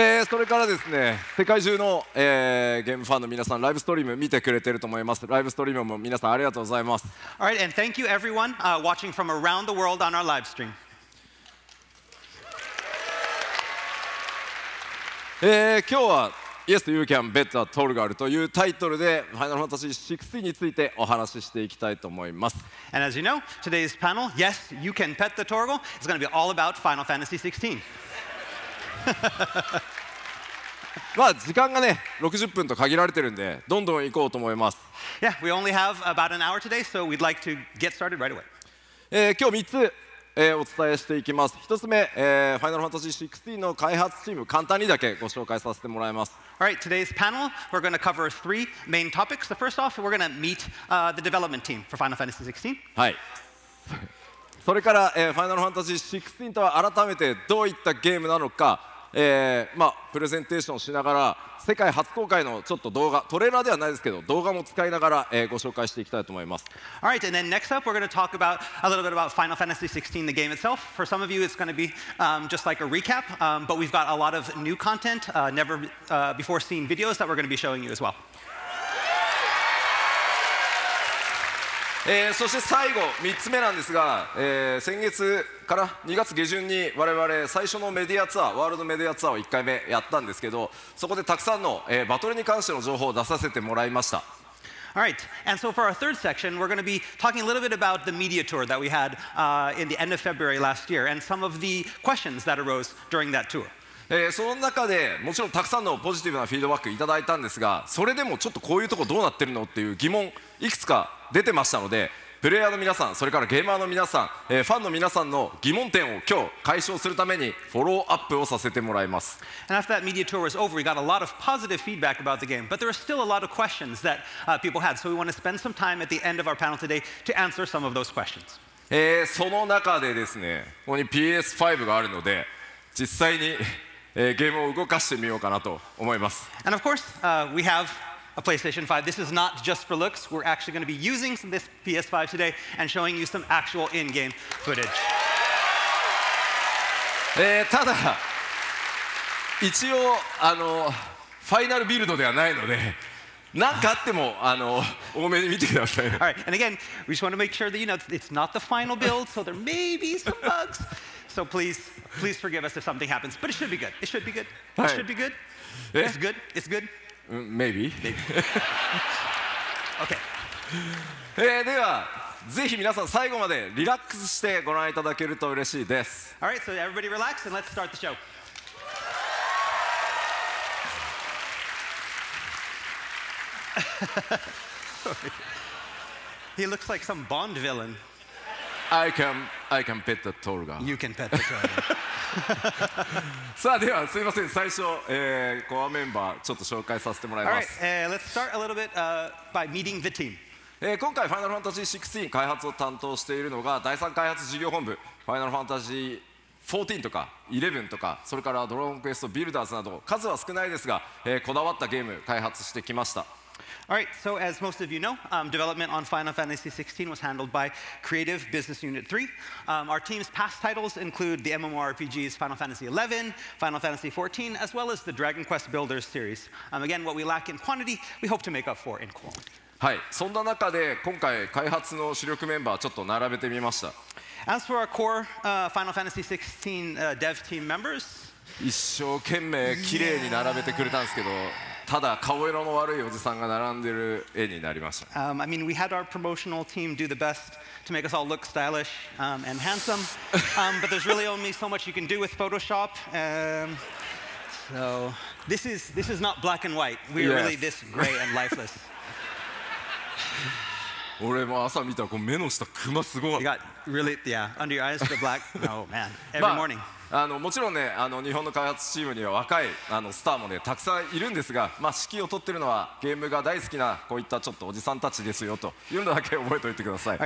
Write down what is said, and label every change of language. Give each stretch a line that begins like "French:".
Japanese: それからですね、世界中の、ゲームファンの皆さん、ライブストリーム見てくれてると思います。ライブストリームも皆さんありがとうございます。
English: All right, and thank you everyone, watching from around the world on our live stream.
Japanese: 今日は Yes, You Can Bet Torgal というタイトルで Final Fantasy 16についてお話ししていきたいと思います。
English: And as you know, today's panel, Yes, You Can Bet the Torgal, is going to be all about Final Fantasy 16.
Japanese: まあ時間がね60分と限られてるんでどんどん行こうと思います。
English: Yeah, we only have about an hour today, so we'd like to get started right away.
Japanese: 今日3つ、お伝えしていきます。1つ目、Final Fantasy 16の開発チーム簡単にだけご紹介させてもらいます。
English: All right, today's panel, we're going to cover three main topics. The first off, we're going to meet, the development team for Final Fantasy 16.
Japanese: はい。それから、Final Fantasy 16とは改めてどういったゲームなのか、まあ、プレゼンテーションしながら世界初公開のちょっと動画、トレーラーではないですけど動画も使いながら、ご紹介していきたいと思います。
English: All right, and then next up, we're going to talk about a little bit about Final Fantasy 16, the game itself. For some of you, it's going to be, just like a recap, but we've got a lot of new content, never, before seen videos that we're going to be showing you as well.
Japanese: そして最後、3つ目なんですが、先月から2月下旬に我々最初のメディアツアー、ワールドメディアツアーを1回目やったんですけど、そこでたくさんの、バトルに関しての情報を出させてもらいました。
English: All right, and so for our third section, we're going to be talking a little bit about the media tour that we had, in the end of February last year and some of the questions that arose during that tour.
Japanese: その中でもちろんたくさんのポジティブなフィードバックいただいたんですが、それでもちょっとこういうとこどうなってるのっていう疑問いくつか出てましたので、プレイヤーの皆さん、それからゲーマーの皆さん、ファンの皆さんの疑問点を今日解消するためにフォローアップをさせてもらいます。
English: And after that media tour was over, we got a lot of positive feedback about the game, but there are still a lot of questions that, people had. So we want to spend some time at the end of our panel today to answer some of those questions.
Japanese: その中でですね、ここに PS5 があるので、実際にゲームを動かしてみようかなと思います。
English: And of course, we have a PlayStation 5. This is not just for looks. We're actually going to be using this PS5 today and showing you some actual in-game footage.
Japanese: ただ、一応、ファイナルビルドではないので、何かあっても、多めに見てください。
English: All right, and again, we just want to make sure that you know it's not the final build, so there may be some bugs. So please, please forgive us if something happens. But it should be good. It should be good. It should be good. It's good. It's good. Maybe. Okay.
Japanese: では、ぜひ皆さん最後までリラックスしてご覧いただけると嬉しいです。
English: All right, so everybody relax and let's start the show. He looks like some Bond villain. I can pet the Torgal. You can pet the Torgal.
Japanese: さあではすいません最初、コアメンバーちょっと紹介させてもらいます。
English: All right, let's start a little bit, by meeting the team.
Japanese: 今回 Final Fantasy 16開発を担当しているのが第3開発事業本部 Final Fantasy 14とか11とかそれからドラゴンクエストビルダーズなど数は少ないですが、こだわったゲーム開発してきました。
English: All right, so as most of you know, development on Final Fantasy 16 was handled by Creative Business Unit 3. Our team's past titles include the MMORPGs Final Fantasy 11, Final Fantasy 14, as well as the Dragon Quest Builders series. Again, what we lack in quantity, we hope to make up for in quality.
Japanese: はい、そんな中で今回開発の主力メンバーちょっと並べてみました。
English: As for our core, Final Fantasy 16, dev team members,
Japanese: 一生懸命綺麗に並べてくれたんですけど、ただ顔色の悪いおじさんが並んでる絵になりました。
English: I mean, we had our promotional team do the best to make us all look stylish and handsome, but there's really only so much you can do with Photoshop. So this is not black and white. We're <Yes. S 2> really this gray and lifeless.
Japanese: 俺も朝見たらこう目の下クマすごい。
English: You got really, yeah, under your eyes the black. Oh man, every morning.
Japanese: もちろんね、日本の開発チームには若いスターもね、たくさんいるんですが、まあ、指揮を取ってるのはゲームが大好きなこういったちょっとおじさんたちですよというのだけ覚えておいてください。